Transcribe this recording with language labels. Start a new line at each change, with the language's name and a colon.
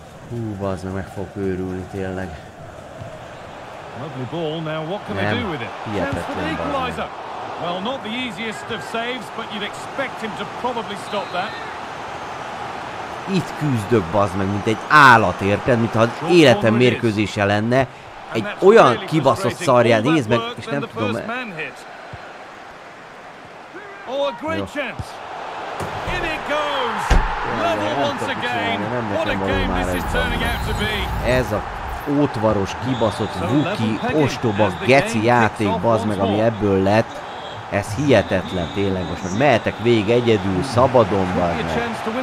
Hungarian: Hú, bazd meg, meg fog őrülni tényleg.
English: Lovely ball, now what can they do with it?
Hungarian: Hihetetlen bazd meg.
English: Well, not the easiest of saves, but you'd expect him to probably stop that.
Hungarian: Itt küzdök, bazd meg, mint egy állat, érted? Mintha az életem mérkőzése lenne. Egy olyan kibaszott szarját, nézd meg, és nem tudom...
English: Oh, a great chance. In it goes. Level once again. What a game this is turning out to be.
Hungarian: Ez a ótvaros, kibaszott, vuki, ostoba, geci játék, bazd meg, ami ebből lett. Ez hihetetlen, tényleg. Most meg mehetek végig egyedül, szabadon, bazd meg.